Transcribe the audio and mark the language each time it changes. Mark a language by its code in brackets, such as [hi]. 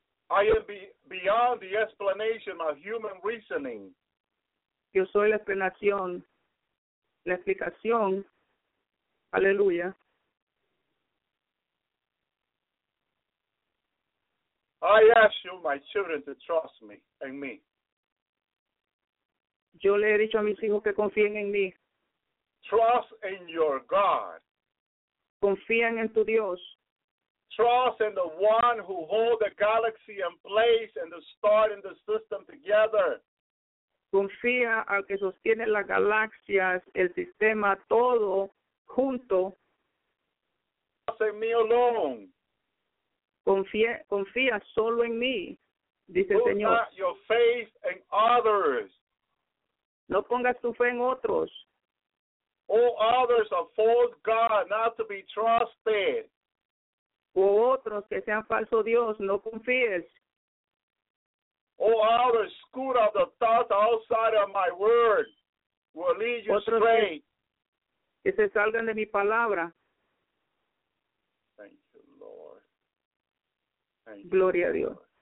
[en] I am beyond the explanation of human reasoning. [es] Yo soy la explicación. La explicación. Aleluya. [en] I ask you, my children, to trust me and me. [es] Yo le he dicho a mis hijos que confíen en mí. [en] Trust in your God. [es] Confían en tu Dios. [en] Trust in the one who holds the galaxy in place and the star in the system together. [es] Confía al que sostiene las galaxias, el sistema, todo junto. [en] Trust in me alone. [es] Confía solo en mí, dice el Señor. [en] Put not your faith in others. [es] No pongas tu fe en otros. [en] Oh, others are false God, not to be trusted. [es] O otros que sean falso Dios, no confíes. [en] Oh, others, scoot of the thoughts outside of my word will lead you [es] otros [en] straight. [es] Que se salgan de mi palabra. [en] Thank you, Lord. Thank [es] Gloria [en] you, [es] a Dios.